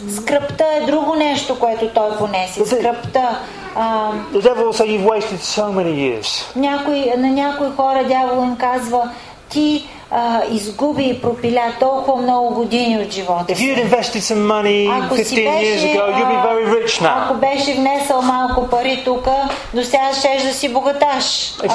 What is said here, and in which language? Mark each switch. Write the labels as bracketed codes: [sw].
[bg] Скръпта е друго нещо, което той понесе. Скръпта. [en] The devil will say you've wasted so many years. [bg] На някои хора дявол им казва, ти изгуби и пропиля толкова много години от живота. [en] If you'd invested some money 15 years ago, you'd be very rich now. [bg] Ако беше внесъл малко пари тук, до сега щеш да си богаташ.